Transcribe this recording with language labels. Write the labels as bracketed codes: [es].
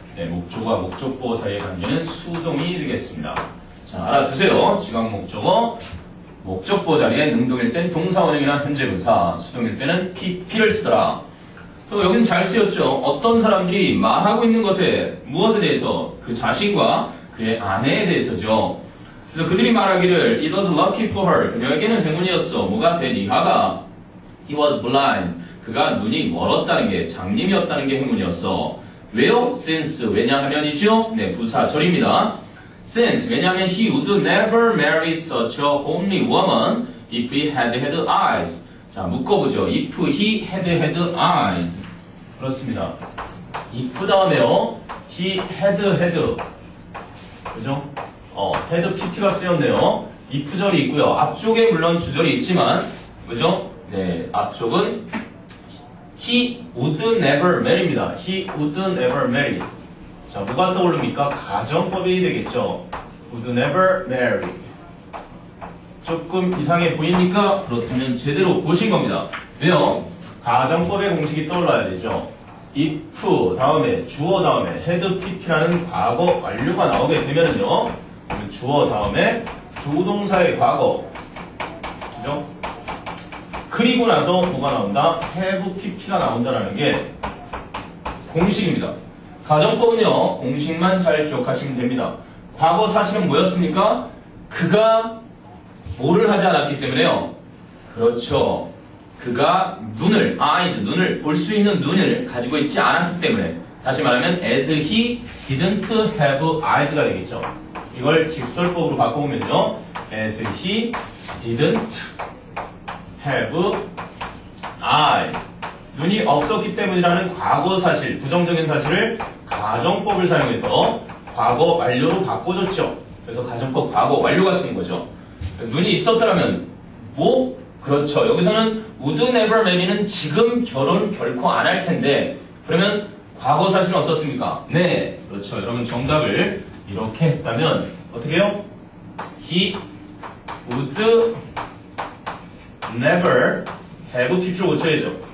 [ko] 네, 목적어와 목적보 사이의 관계는 수동이 되겠습니다. 자, 알아주세요. 지각 목적어 목적보 자리에 능동일 땐 동사 원형이나 현재 분사 수동일 때는 PP를 쓰더라. 그래서 여기는 잘 쓰였죠. 어떤 사람들이 말하고 있는 것에 무엇에 대해서 그 자신과 그의 아내에 대해서죠. 그래서 그들이 말하기를 [en] It was lucky for her. [ko] 그녀에게는 행운이었어. 뭐가 된 이가가 [en] He was blind. [ko] 그가 눈이 멀었다는 게 장님이었다는 게 행운이었어. 왜요? Since. 왜냐하면이죠. 네, 부사절입니다. Since. [en] 왜냐하면 He would never marry such a homely woman if he had had eyes. [ko] 자, 묶어보죠. [en] If he had had eyes. [ko] 그렇습니다. [en] If [ko] 다음에요. [en] He had had. 그죠? [ko] 헤드 PP가 쓰였네요. if절이 있고요. 앞쪽에 물론 주절이 있지만 그죠? 네, 앞쪽은 [en] he would never marry입니다. he would never marry. [ko] 자, 뭐가 떠오릅니까? 가정법이 되겠죠. [en] would never marry. [ko] 조금 이상해 보입니까? 그렇다면 제대로 보신 겁니다. 왜요? 가정법의 공식이 떠올라야 되죠. if 다음에 주어 다음에 헤드 PP라는 과거 완료가 나오게 되면은요. 주어 다음에 조동사의 과거 그죠? 그리고 나서 뭐가 나온다? have pp가 나온다라는 게 공식입니다. 가정법은요 공식만 잘 기억하시면 됩니다. 과거 사실은 뭐였습니까? 그가 뭐를 하지 않았기 때문에요. 그렇죠. 그가 눈을 eyes 눈을 볼 수 있는 눈을 가지고 있지 않았기 때문에 다시 말하면 [en] as he didn't have eyes가 되겠죠. [ko] 이걸 직설법으로 바꿔보면요. [en] as he didn't have eyes. [ko] 눈이 없었기 때문이라는 과거 사실, 부정적인 사실을 가정법을 사용해서 과거 완료로 바꿔줬죠. 그래서 가정법 과거 완료가 쓰는 거죠. 눈이 있었더라면 뭐? 그렇죠. 여기서는 would never marry는 지금 결혼 결코 안 할 텐데 그러면 과거 사실은 어떻습니까? 네, 그렇죠. 여러분 정답을 이렇게 했다면 어떻게 해요? [en] He would never have PP로 [ko] 고쳐야죠.